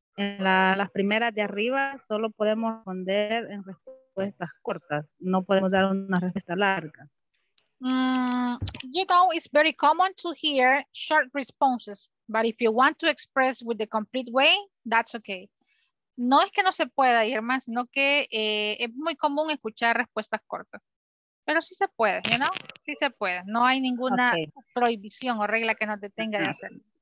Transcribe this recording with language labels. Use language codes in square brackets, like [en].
[es] En la, las primeras de arriba solo podemos responder en respuestas cortas. No podemos dar una respuesta larga. [en] You know, it's very common to hear short responses. But if you want to express with the complete way, that's okay. [es] No es que no se pueda, Irma, sino que es muy común escuchar respuestas cortas. Pero sí se puede, you know? Sí se puede. No hay ninguna prohibición o regla que nos detenga de hacerlo.